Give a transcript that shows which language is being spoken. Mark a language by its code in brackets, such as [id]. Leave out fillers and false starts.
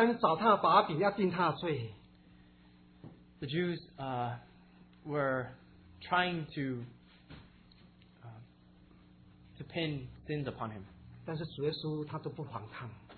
[zh] 那些犹太人攻击他，但是找他的把柄，要定他的罪。 [en] The Jews were trying to pin sins upon him. [zh] 但是主耶稣他都不反抗。